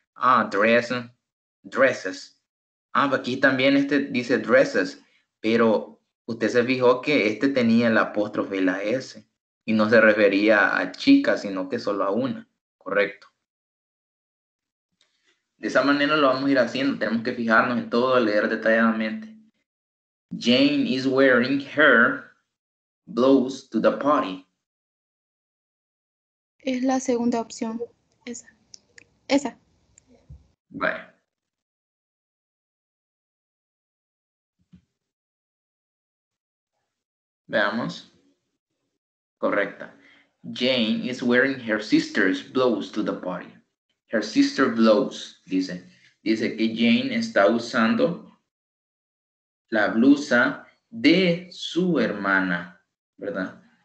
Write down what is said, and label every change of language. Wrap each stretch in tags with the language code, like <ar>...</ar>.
<es>Ah, dress, dresses. Ah, aquí también este dice dresses. Pero usted se fijó que este tenía el apóstrofe y la S. Y no se refería a chicas, sino que solo a una. Correcto. De esa manera lo vamos a ir haciendo. Tenemos que fijarnos en todo, leer detalladamente.</es> <en>Jane is wearing her blouse to the party.</en> <es>Es la segunda opción. Esa. Esa. Vale. Veamos. Correcta.</es> <en>Jane is wearing her sister's blouse to the party. Her sister blows, dice.</en> <es>Dice que Jane está usando la blusa de su hermana, ¿verdad?</es>